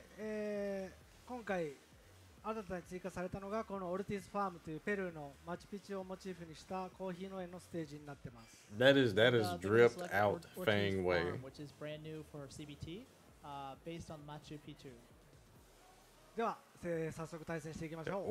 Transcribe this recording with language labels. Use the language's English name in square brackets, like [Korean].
[English] Today, [Japanese] 新たに追加されたのがこのオルティスファームというペルーのマチュピチュをモチーフにしたコーヒー農園のステージになってます。 [English] That is dripped out Feng Wei. Which is brand new for CBT, based on Machu Picchu. [Japanese] では、早速対戦していきましょう。